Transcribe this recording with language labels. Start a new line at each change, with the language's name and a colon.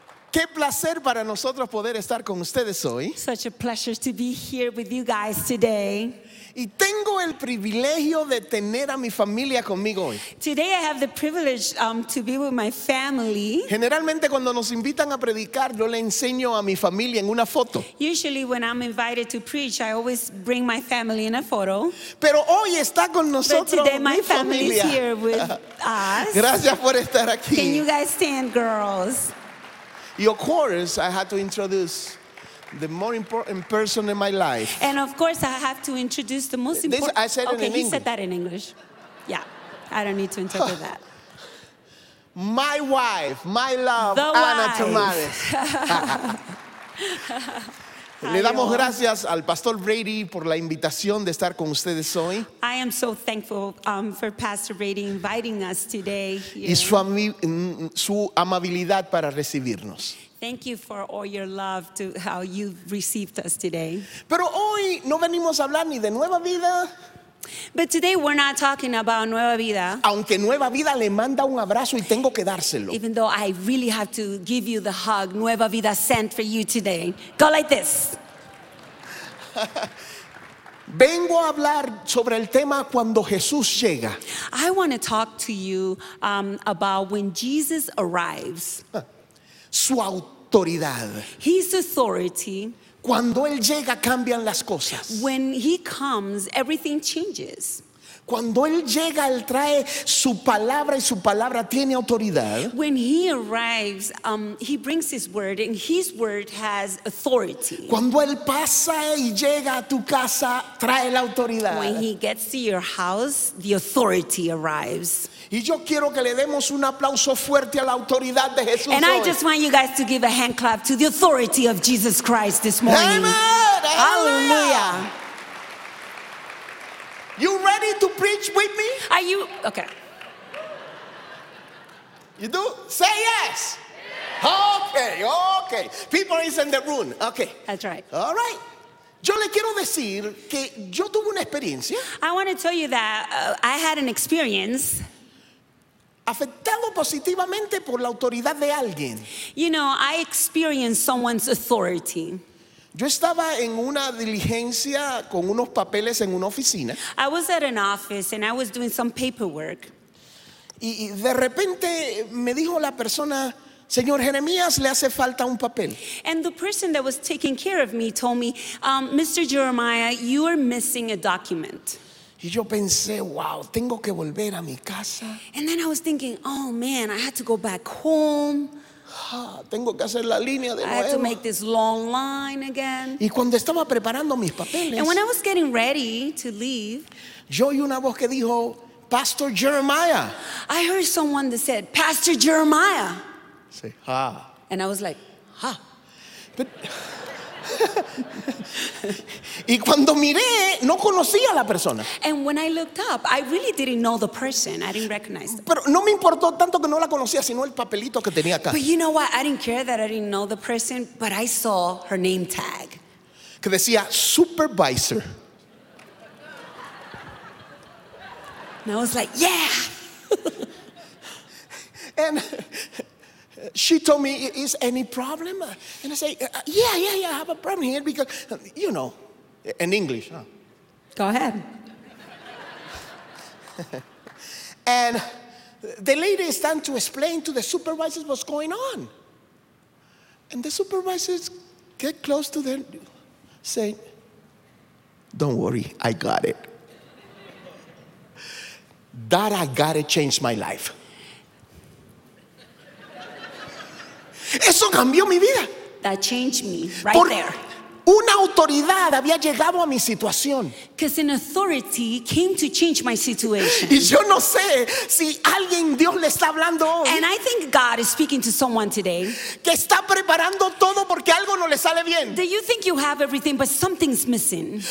Spanish: Qué placer para nosotros poder estar con ustedes hoy.
English: Such a pleasure to be here with you guys today.
Spanish: Y tengo el privilegio de tener a mi familia conmigo hoy.
English: Today I have the privilege to be with my family.
Spanish: Generalmente cuando nos invitan a predicar, yo le enseño a mi familia en una foto.
English: Usually when I'm invited to preach, I always bring my family in a photo.
Spanish: Pero hoy está con nosotros mi familia.
English: But today my family is here with us.
Spanish: Gracias por estar aquí.
English: Can you guys stand, girls? Y of course, I had to introduce the more important person in my life. And of course, I have to introduce the most important. This, I said okay, in English. Okay, he said that in English. Yeah, I don't need to interpret that. My wife, my love, the Ana wife. Tamares.
Spanish: Le damos gracias al Pastor Brady por la invitación de estar con ustedes hoy.
English: I am so thankful for Pastor Brady inviting us today here.
Spanish: Y su amabilidad para recibirnos.
English: Thank you for all your love to how you've received us today.
Spanish: Pero hoy no venimos a hablar ni de Nueva Vida.
English: But today we're not talking about Nueva Vida.
Spanish: Aunque Nueva Vida le manda un abrazo y tengo que dárselo.
English: Even though I really have to give you the hug Nueva Vida sent for you today. Go like this.
Spanish: Vengo a hablar sobre el tema cuando Jesús llega.
English: I want to talk to you about when Jesus arrives.
Spanish: Su autoridad.
English: His authority.
Spanish: Cuando él llega, cambian las cosas.
English: When he comes, everything changes.
Spanish: Cuando él llega, él trae su palabra y su palabra tiene autoridad.
English: When he arrives, he brings his word and his word has authority.
Spanish: Cuando él pasa y llega a tu casa, trae la autoridad.
English: When he gets to your house, the authority arrives.
Spanish: Y yo quiero que le demos un aplauso fuerte a la autoridad de Jesús.
English: And
Spanish: hoy.
English: I just want you guys to give a hand clap to the authority of Jesus Christ this morning. Amen. Hallelujah. You ready to preach with me? Are you? Okay. You do? Say yes. Yes. Okay, okay. People is in the room. Okay. That's right. All right.
Spanish: Yo le quiero decir que yo tuve una experiencia.
English: I want to tell you that I had an experience.
Spanish: Afectado positivamente por la autoridad de alguien.
English: You know, I experienced someone's authority.
Spanish: Yo estaba en una diligencia con unos papeles en una oficina.
English: I was at an office and I was doing some paperwork.
Spanish: Y de repente me dijo la persona, Señor Jeremías, le hace falta un papel.
English: And the person that was taking care of me told me, Mr. Jeremiah, you are missing a document.
Spanish: Y yo pensé, wow, tengo que volver a mi casa.
English: And then I was thinking, oh man, I had to go back home.
Spanish: Tengo que hacer la línea de nuevo.
English: I had to make this long line again.
Spanish: Y cuando estaba preparando mis papeles,
English: and when I was getting ready to leave,
Spanish: yo oí una voz que dijo, Pastor Jeremiah.
English: I heard someone that said, Pastor Jeremiah. Say, ha. And I was like, ha.
Spanish: But, y cuando miré, no conocía a la persona.
English: And when I looked up, I really didn't know the person. I didn't recognize them.
Spanish: Pero no me importó tanto que no la conocía, sino el papelito que tenía acá.
English: But you know what? I didn't care that I didn't know the person, but I saw her name tag.
Spanish: Que decía supervisor.
English: And I was like, yeah. And she told me, is any problem? And I say, yeah, I have a problem here because, you know, in English. Huh? Go ahead. And the lady is trying to explain to the supervisors what's going on. And the supervisors get close to them, say, don't worry, I got it. That I got it changed my life.
Spanish: Eso cambió mi vida.
English: That changed me right
Spanish: Por
English: there.
Spanish: Una autoridad había llegado a mi situación.
English: Because an authority came to change my situation.
Spanish: Y yo no sé si alguien Dios le está hablando hoy.
English: And I think God is speaking to someone today.
Spanish: Que está preparando todo porque algo no le sale bien.
English: Do you think you have everything but something's missing?